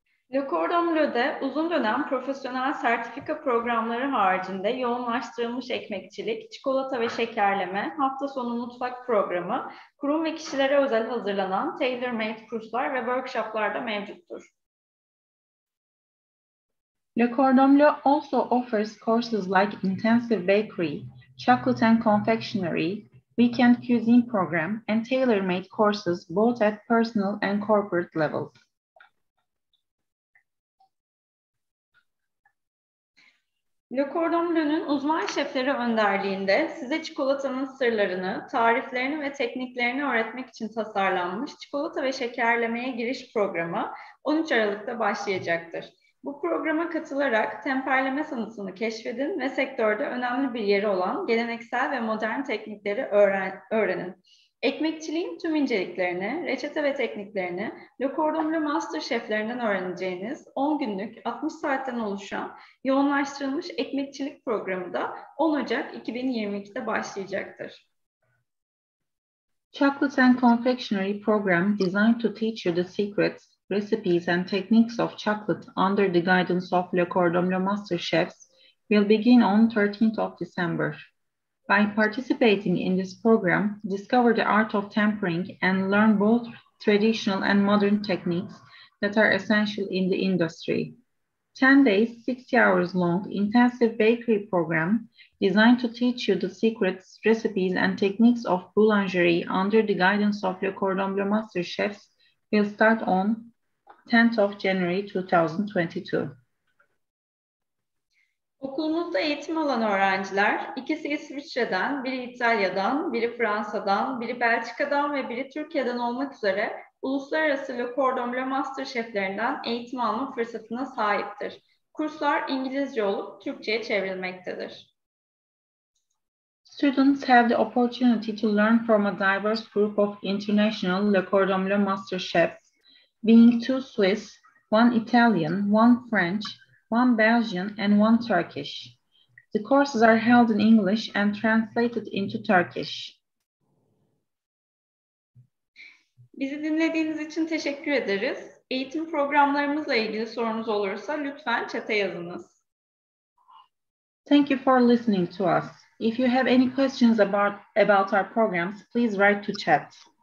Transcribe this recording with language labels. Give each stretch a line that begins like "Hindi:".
Turkish: Le Cordon Bleu'de uzun dönem profesyonel sertifika programları haricinde yoğunlaştırılmış ekmekçilik, çikolata ve şekerleme, hafta sonu mutfak programı, kurum ve kişilere özel hazırlanan tailor-made kurslar ve workshoplar da mevcuttur.
English: Le Cordon Bleu also offers courses like intensive bakery, chocolate and confectionery, weekend cuisine program and tailor-made courses both at personal and corporate levels.
Turkish: Le Cordon Bleu'nun uzman şefleri önderliğinde size çikolatanın sırlarını, tariflerini ve tekniklerini öğretmek için tasarlanmış çikolata ve şekerlemeye giriş programı 13 Aralık'ta başlayacaktır. Bu programa katılarak temperleme sanatını keşfedin ve sektörde önemli bir yeri olan geleneksel ve modern teknikleri öğrenin. Ekmekçiliğin tüm inceliklerini, reçete ve tekniklerini Le Cordon Bleu Master şeflerinden öğreneceğiniz 10 günlük 60 saatten oluşan yoğunlaştırılmış ekmekçilik programı da 10 Ocak 2022'de başlayacaktır.
English: Chocolate and Confectionery Program designed to teach you the secrets, recipes and techniques of chocolate under the guidance of Le Cordon Bleu Master Chefs will begin on 13th of December. By participating in this program, discover the art of tempering and learn both traditional and modern techniques that are essential in the industry. 10 days, 60 hours long intensive bakery program designed to teach you the secrets, recipes and techniques of boulangerie under the guidance of Le Cordon Bleu Master Chefs will start on 10th of January 2022.
Turkish: Okulumuzda eğitim alan öğrenciler, ikisi İsviçre'den, biri İtalya'dan, biri Fransa'dan, biri Belçika'dan ve biri Türkiye'den olmak üzere uluslararası Le Cordon Bleu Master şeflerinden eğitim alma fırsatına sahiptir. Kurslar İngilizce olup Türkçe'ye çevrilmektedir.
English: Students have the opportunity to learn from a diverse group of international Le Cordon Bleu Master chefs, being two Swiss, one Italian, one French, one Belgian and one Turkish. The courses are held in English and translated into Turkish.
Turkish: Bizi dinlediğiniz için teşekkür ederiz. Eğitim programlarımızla ilgili sorunuz olursa lütfen chat'e yazınız.
English: Thank you for listening to us. If you have any questions about our programs, please write to chat.